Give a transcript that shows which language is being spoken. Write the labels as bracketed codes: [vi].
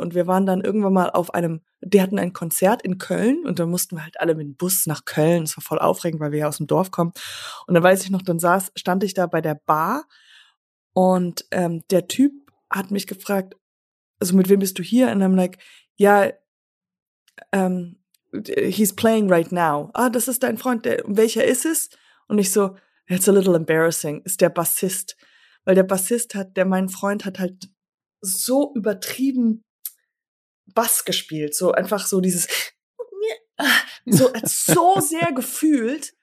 [de] Und wir waren dann irgendwann mal auf einem, die hatten ein Konzert in Köln und dann mussten wir halt alle mit dem Bus nach Köln. Es war voll aufregend, weil wir ja aus dem Dorf kommen. Und dann weiß ich noch, dann stand ich da bei der Bar und der Typ hat mich gefragt, also mit wem bist du hier? Und [en] I'm like, ja, he's playing right now. [de] Ah, das ist dein Freund, welcher ist es? Und ich so, [en] it's a little embarrassing, [de] ist der Bassist. Weil der Bassist hat, der mein Freund hat halt so übertrieben Bass gespielt. So einfach so dieses, so, so sehr gefühlt.